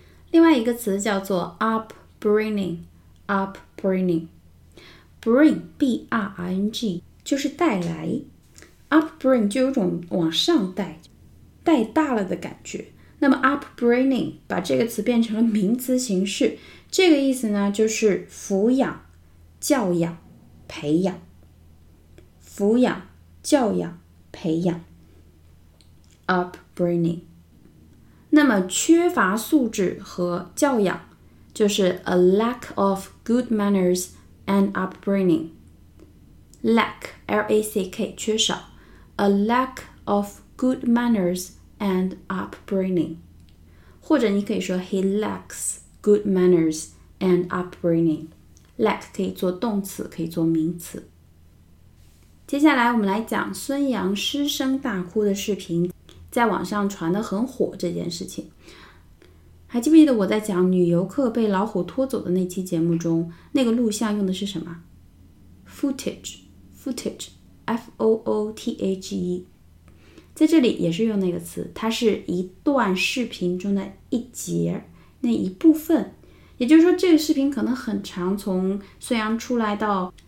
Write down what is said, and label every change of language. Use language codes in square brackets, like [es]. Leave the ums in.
[zh] 另外一个词叫做 upbringing，upbringing， [en] bring up [zh] b r i n g 就是带来，upbring 就有种往上带、带大了的感觉。那么，upbringing 把这个词变成了名词形式，这个意思呢，就是抚养、教养、培养、抚养。教养、培养。upbringing。那么，缺乏素质和教养就是 [en] -A, a lack of good manners and upbringing. a c a lack of good manners and upbringing. upbringing。 [zh] 或者你可以说 [en] he lacks good manners and upbringing. upbringing。 [zh] lack 可以做动词，可以做名词。接下来我们来讲孙杨失声大哭的视频，在网上传的很火这件事情，还记不记得我在讲女游客被老虎拖走的那期节目中，那个录像用的是什么？Footage，Footage，F-O-O-T-A-G-E，Footage, 在这里也是用那个词，它是一段视频中的一节那一部分，也就是说这个视频可能很长，从孙杨出来到。